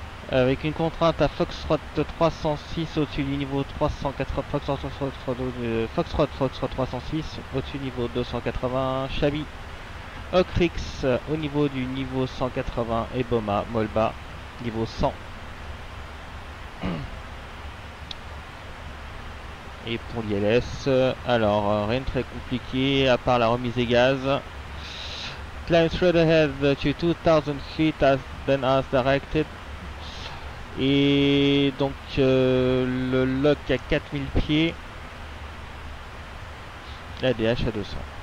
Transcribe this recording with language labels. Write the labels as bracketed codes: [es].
[fr] Avec une contrainte à Foxtrot 306 au-dessus du niveau 380, Foxtrot 306 au-dessus du niveau 280, Chabi, Okrix au niveau du niveau 180 et Boma, Molba niveau 100. Et pour l'ILS, alors rien de très compliqué à part la remise des gaz. [en] Climb straight ahead to 2000 feet as then as directed. [fr] Et donc le lock à 4000 pieds, la DH à 200.